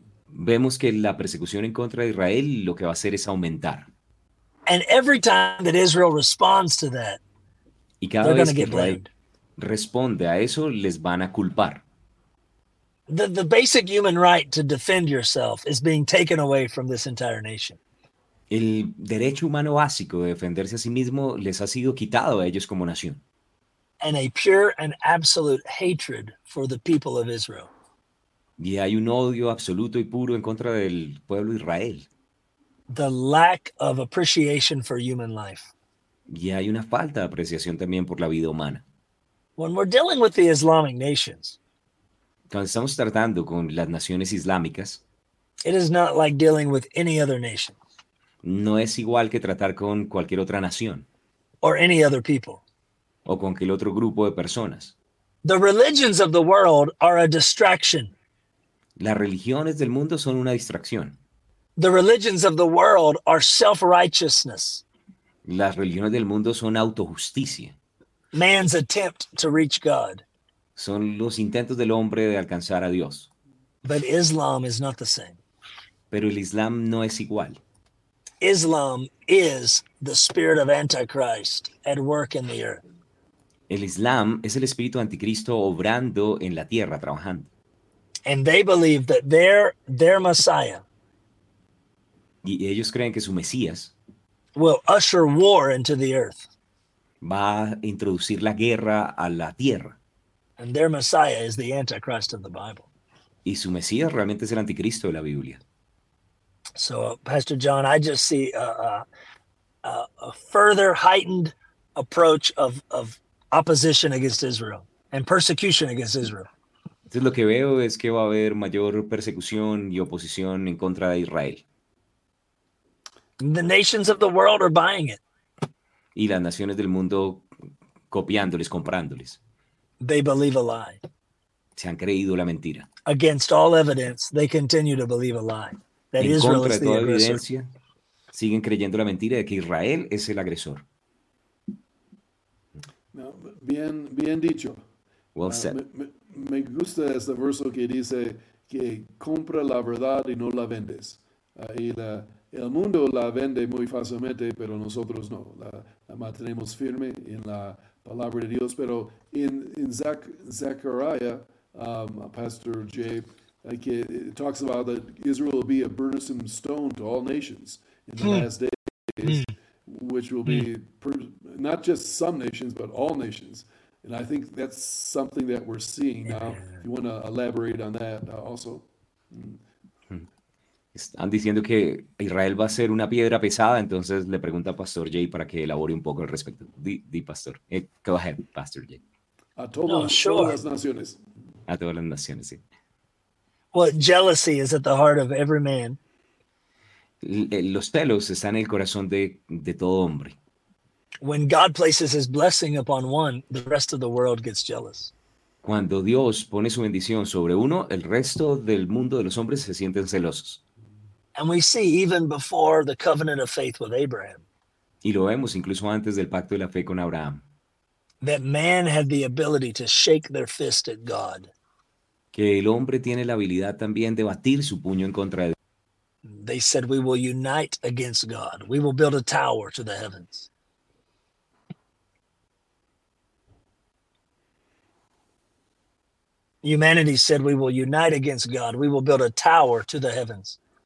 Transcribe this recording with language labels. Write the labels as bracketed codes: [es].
[es] Vemos que la persecución en contra de Israel lo que va a hacer es aumentar. [en] And every time that Israel responds to that, [es] y cada vez que Israel responde a eso, les van a culpar. [en] The basic human right to defend yourself is being taken away from this entire nation. [es] El derecho humano básico de defenderse a sí mismo les ha sido quitado a ellos como nación. [en] And a pure and absolute hatred for the people of Israel. [es] Y hay un odio absoluto y puro en contra del pueblo de Israel. [en] The lack of appreciation for human life. [es] Y hay una falta de apreciación también por la vida humana. [en] When we're dealing with the Islamic nations, [es] cuando estamos tratando con las naciones islámicas, [en] it is not like dealing with any other nation. [es] No es igual que tratar con cualquier otra nación. [en] Or any other people. [es] O con cualquier otro grupo de personas. [en] The religions of the world are a distraction. [es] Las religiones del mundo son una distracción. [en] The religions of the world are self-righteousness. [es] Las religiones del mundo son autojusticia. [en] Man's attempt to reach God. [es] Son los intentos del hombre de alcanzar a Dios. [en] But Islam is not the same. [es] Pero el Islam no es igual. [en] Islam is the spirit of Antichrist at work in the earth. [es] El Islam es el espíritu anticristo obrando en la tierra, trabajando. [en] And they believe that their Messiah. [es] Y ellos creen que su Mesías [en] will usher war into the earth. [es] Va a introducir la guerra a la tierra. [en] And their Messiah is the Antichrist of the Bible. [es] Y su Mesías realmente es el anticristo de la Biblia. [en] So, Pastor John, I just see a further heightened approach of opposition against Israel and persecution against Israel. [es] Entonces, lo que veo es que va a haber mayor persecución y oposición en contra de Israel. [en] The nations of the world are buying it. [es] Y las naciones del mundo copiándoles, comprándoles. [en] They believe a lie. [es] Se han creído la mentira. [en] Against all evidence, they continue to believe a lie. That [es] en Israel contra de toda evidencia, siguen creyendo la mentira de que Israel es el agresor. No, bien dicho. [en] Well said. [es] Me gusta este verso que dice que compra la verdad y no la vendes. El mundo la vende muy fácilmente, pero nosotros no. La mantenemos firme en la palabra de Dios. Pero en [en] Zechariah, Pastor Jay, it talks about that Israel will be a burdensome stone to all nations in the last days, which will be not just some nations, but all nations. And I think that's something that we're seeing now. If you want to elaborate on that also. [es] Están diciendo que Israel va a ser una piedra pesada, entonces le pregunta a Pastor Jay para que elabore un poco al respecto. Di [en] Pastor. Go ahead, Pastor Jay. [es] A todas las naciones. A todas las naciones, sí. [en] Well, jealousy is at the heart of every man. [es] Los celos están en el corazón de todo hombre. [en] When God places his blessing upon one, the rest of the world gets jealous. [es] Cuando Dios pone su bendición sobre uno, el resto del mundo de los hombres se sienten celosos. [en] And we see even before the covenant of faith with Abraham. [es] Y lo vemos incluso antes del pacto de la fe con Abraham. [en] That man had the ability to shake their fist at God. [es] Que el hombre tiene la habilidad también de batir su puño en contra de Dios. [en] They said, we will unite against God. We will build a tower to the heavens. Humanity said, we will unite against God. We will build a tower to the heavens.